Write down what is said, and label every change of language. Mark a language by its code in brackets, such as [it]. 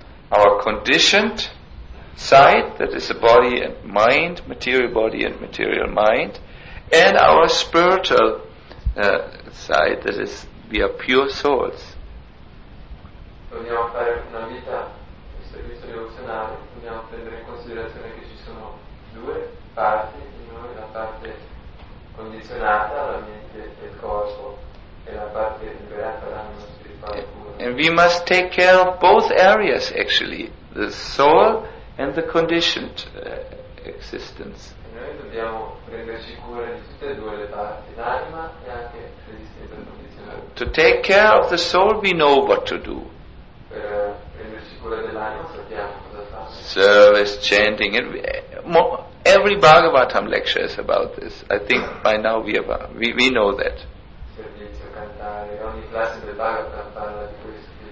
[en] Our conditioned side, that is the body and mind, material body and material mind, and our spiritual side, that is, we are pure souls. [it] Dobbiamo fare una vita, un servizio rivoluzionario, dobbiamo prendere in considerazione che ci sono due parti in noi, la parte condizionata, la mente e il corpo, e la parte liberata, l'anima spirituale pura. [en] And we must take care of both areas, actually, the soul and the conditioned existence. [it] Noi dobbiamo prenderci cura di tutte e due le parti, l'anima e anche l'esistenza condizionata. [en] To take care of the soul, we know what to do. [it] Per prenderci cura dell'anima sappiamo cosa fare. [en] Service, chanting, and every Bhagavatam lecture is about this. I think by now we know that. [it] Servizio, cantare, ogni classe del Bhagavatam parla di questo.